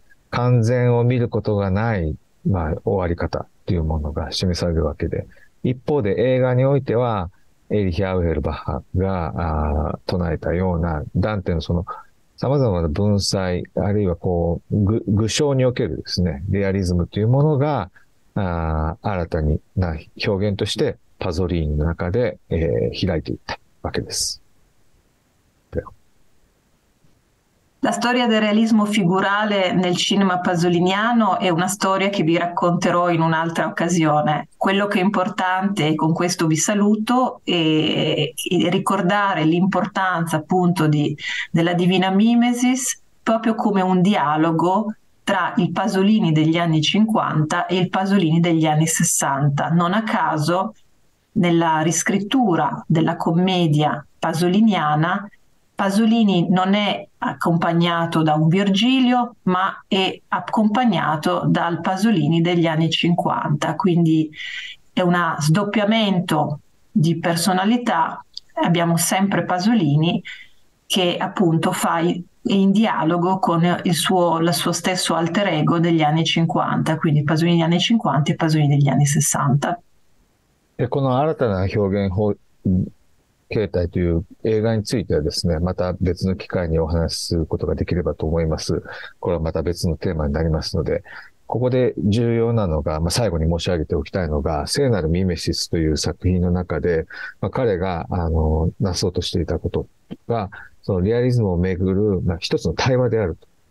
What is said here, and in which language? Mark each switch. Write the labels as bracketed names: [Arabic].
[Japanese] 完全を見ることがない、まあ終わり方というものが示されるわけで、一方で映画においては、エリヒ・アウヘルバッハが唱えたような、ダンテのその様々な文才、あるいはこう、具象におけるですね、リアリズムというものが、新たにな表現としてパゾリーニの中で、開いていったわけです。 [Italian] La storia del realismo figurale nel cinema pasoliniano è una storia che vi racconterò in un'altra occasione. Quello che è importante, con questo vi saluto, è ricordare l'importanza appunto della Divina Mimesis proprio come un dialogo tra il Pasolini degli anni 50 e il Pasolini degli anni 60. Non a caso, nella riscrittura della commedia pasoliniana, Pasolini non è accompagnato da un Virgilio, ma è accompagnato dal Pasolini degli anni 50, quindi è un sdoppiamento di personalità. Abbiamo sempre Pasolini che appunto è in dialogo con il suo stesso alter ego degli anni 50, quindi Pasolini degli anni 50 e Pasolini degli anni 60. [Japanese] で、この新たな表現法、形態という映画についてはですね、また別の機会にお話しすることができればと思います。これはまた別のテーマになりますので、ここで重要なのが、まあ、最後に申し上げておきたいのが、聖なるミメシスという作品の中で、まあ、彼が、なそうとしていたことが、そのリアリズムをめぐる、まあ、一つの対話であると。